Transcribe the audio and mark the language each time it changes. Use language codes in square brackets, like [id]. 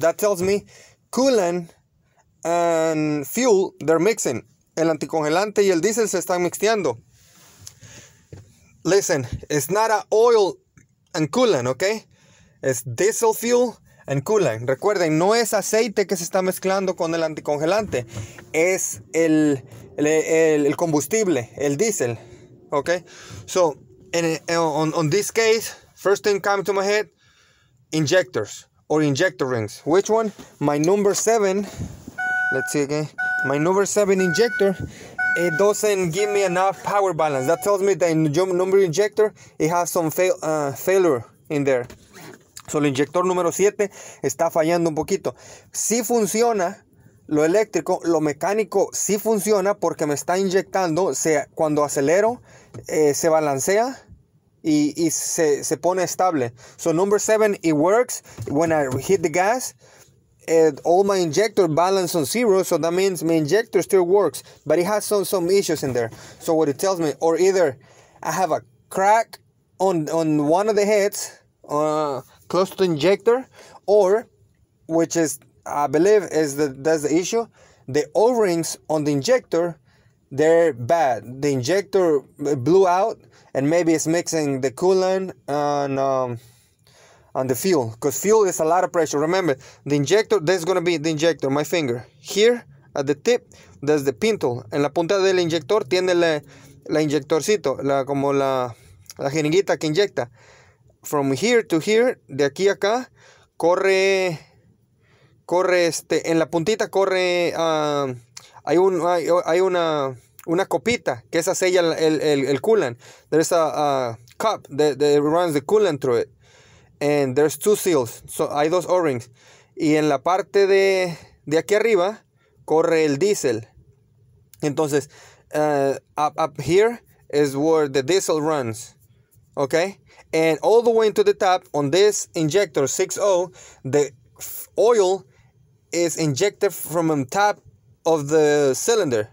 [en] That tells me coolant and fuel, they're mixing. [es] El anticongelante y el diesel se están mixteando. [en] Listen, it's not a oil and coolant, okay? It's diesel fuel and coolant. [es] Recuerden, no es aceite que se está mezclando con el anticongelante. Es el combustible, el diesel, okay? [en] So, on this case, first thing came to my head, injectors or injector rings. Which one? My number 7... Let's see again. My number 7 injector, it doesn't give me enough power balance. That tells me that in the number injector, it has some failure in there. [es] So, el inyector número 7 está fallando un poquito. Sí funciona lo eléctrico, lo mecánico sí funciona porque me está inyectando. Cuando acelero, se balancea y se pone estable. [en] So, number 7, it works when I hit the gas. All my injector balance on zero, so that means my injector still works, but it has some issues in there. So what it tells me, or either I have a crack on one of the heads close to the injector, or which is I believe is that's the issue, the O-rings on the injector, they're bad. The injector blew out, and maybe it's mixing the coolant and on the fuel, because fuel is a lot of pressure. Remember, the injector, this is going to be the injector, my finger. Here, at the tip, there's the pintle. [es] En la punta del inyector, tiene la inyectorcito, como la jeringuita que inyecta. [en] From here to here, [es] de aquí a acá, corre, en la puntita corre, hay una copita, que esa sella el coolant. [en] There's a cup that runs the coolant through it. And there's two seals, so [es] hay dos [en] O-rings. [es] Y en la parte de aquí arriba, corre el diesel. Entonces, [en] up here is where the diesel runs, okay? And all the way into the top, on this injector 6-0, the oil is injected from the top of the cylinder.